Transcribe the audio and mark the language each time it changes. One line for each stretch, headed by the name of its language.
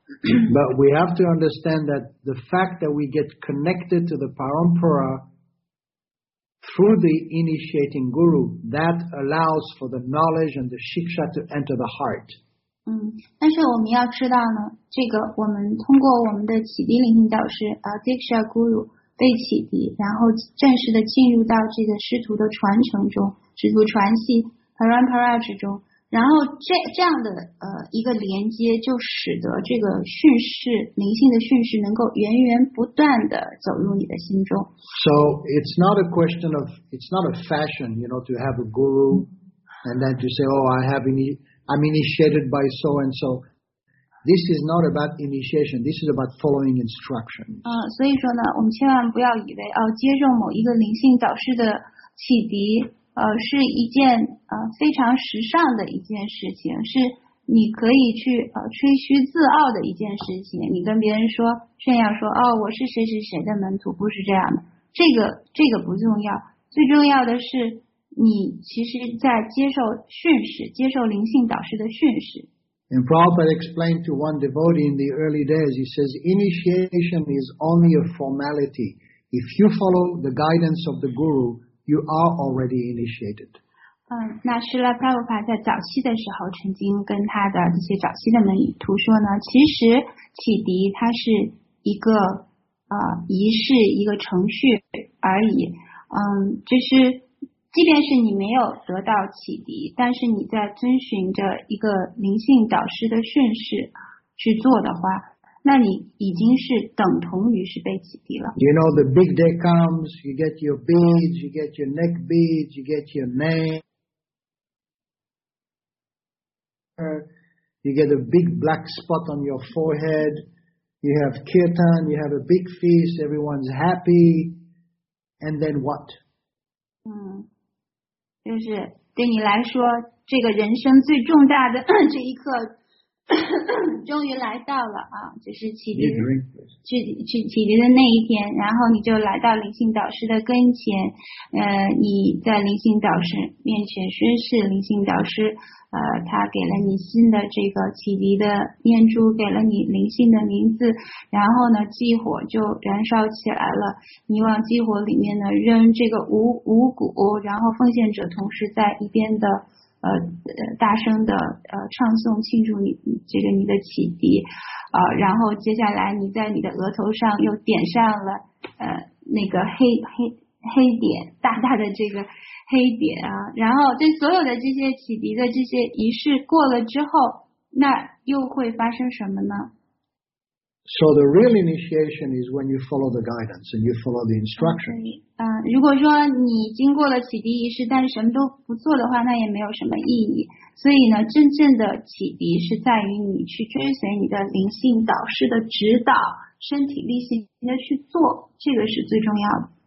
English: But we have to understand that the fact that we get connected to the parampara through the initiating guru, that allows for the knowledge and the shiksha to enter the heart.
Chinese: 但是我们要知道呢，这个我们通过我们的启迪灵性导师Diksha Guru 被启迪，然后正式的进入到这个师徒的传承中，师徒传系 parampara 之中。然后这样的一个连接，就使得这个训示灵性的训示能够源源不断的走入你的心中。
English: So it's not a question of it's not a fashion, you know, to have a guru and then to say, oh, I'm initiated by so and so. This is not about initiation. This is about following instructions.
Chinese: 所以说呢，我们千万不要以为接受某一个灵性导师的启迪。是一件非常时尚的一件事情，是你可以去吹嘘自傲的一件事情。你跟别人说炫耀说我是谁谁谁的门徒，不是这样的。这个不重要，最重要的是你其实在接受训示，接受灵性导师的训示。
English: And Prabhupada explained to one devotee in the early days, he says, initiation is only a formality. If you follow the guidance of the guru. You are already initiated.
Chinese: 那释迦牟尼佛在早期的时候曾经跟他的这些早期的门徒说呢，其实启迪它是一个仪式，一个程序而已。就是即便是你没有得到启迪，但是你在遵循着一个灵性导师的训示去做的话，那你已经是等同于是被启迪了。
English: You know, the big day comes, you get your beads, you get your neck beads, you get your name, you get a big black spot on your forehead, you have kirtan, you have a big feast, everyone's happy, and then what?
Chinese: 就是对你来说，这个人生最重大的这一刻终于来到了啊，就是启迪去启迪的那一天，然后你就来到灵性导师的跟前，你在灵性导师面前宣誓，灵性导师他给了你新的这个启迪的念珠，给了你灵性的名字，然后呢祭火就燃烧起来了，你往祭火里面呢扔这个五谷，然后奉献者同时在一边的大声的唱诵庆祝你这个你的启迪，然后接下来你在你的额头上又点上了那个黑点，大大的这个黑点啊，然后这所有的这些启迪的这些仪式过了之后，那又会发生什么呢？
English: So the real initiation is when you follow the guidance and you follow the instructions. Okay.
Chinese: 如果说你经过了启迪仪式但是什么都不做的话，那也没有什么意义。所以呢，真正的启迪是在于你去追随你的灵性导师的指导，身体力行的去做，这个是最重要的。